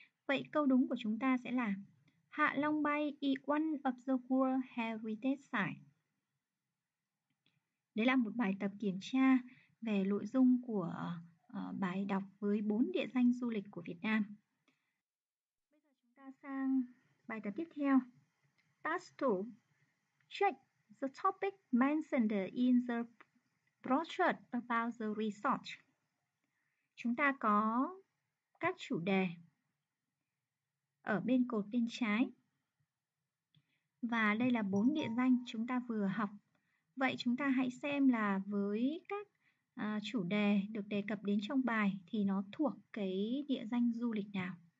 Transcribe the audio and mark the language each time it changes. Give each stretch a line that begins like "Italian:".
Vietnamese: Vậy câu đúng của chúng ta sẽ là
English: Hạ Long Bay is one of the world heritage site.
Vietnamese: Đấy là một bài tập kiểm tra về nội dung của bài đọc với bốn địa danh du lịch của Việt Nam. Bây giờ chúng ta sang bài tập tiếp theo.
English: Task 2. Check the topic mentioned in the brochure about the resort.
Vietnamese: Chúng ta có các chủ đề ở bên cột bên trái. Và đây là bốn địa danh chúng ta vừa học. Vậy chúng ta hãy xem là với các chủ đề được đề cập đến trong bài thì nó thuộc cái địa danh du lịch nào.